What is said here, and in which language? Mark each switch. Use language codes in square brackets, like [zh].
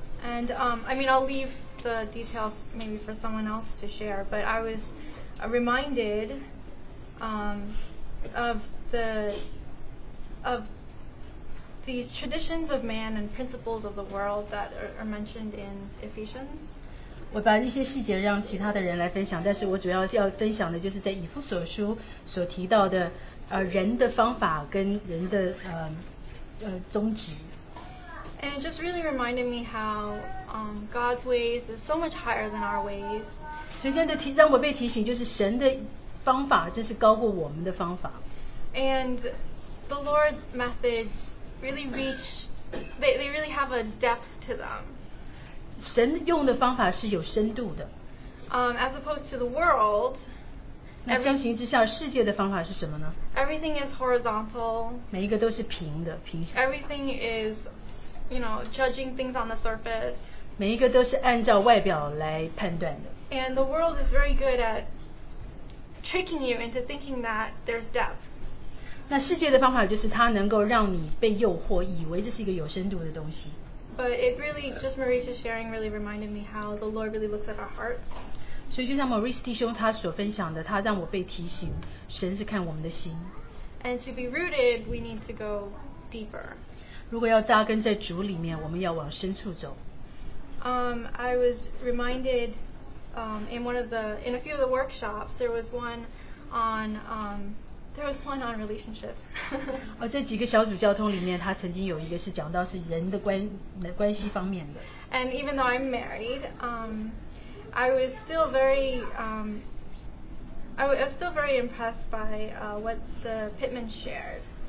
[en] And I'll leave the details maybe for someone else to share, but I was reminded of these traditions of man and principles of the world that are mentioned in Ephesians. [zh] 我把一些细节让其他的人来分享，但是我主要是要分享的就是在以弗所书所提到的人的方法跟人的宗旨。 [en] And it just really reminded me how God's ways is so much higher than our ways. [zh] 所以真的让我被提醒，就是神的方法真是高过我们的方法。 [en] And the Lord's methods really reach, they really have a depth to them. [zh] 神用的方法是有深度的。 [en] As opposed to the world. [zh] 那相形之下，世界的方法是什么呢 [en] ？Everything is horizontal. [zh] 每一个都是平的，平行。 [en] Everything is, you know, judging things on the surface. [zh] 每一个都是按照外表来判断的。 [en] And the world is very good at tricking you into thinking that there's depth. [zh] 那世界的方法就是它能够让你被诱惑，以为这是一个有深度的东西。 [en] But it really, just Marisa sharing really reminded me how the Lord really looks at our hearts. [zh] 所以就像 Maurice 弟兄他所分享的，他让我被提醒，神是看我们的心。 [en] And to be rooted, we need to go deeper. [zh] 如果要扎根在主里面，我们要往深处走。 [en] I was reminded, in a few of the workshops, there was one on relationships. [zh] 在几个小组交通里面，他曾经有一个是讲到是人的关系方面的。 [en] And even though I'm married, I was still very, I was still very impressed by what the Pittman shared.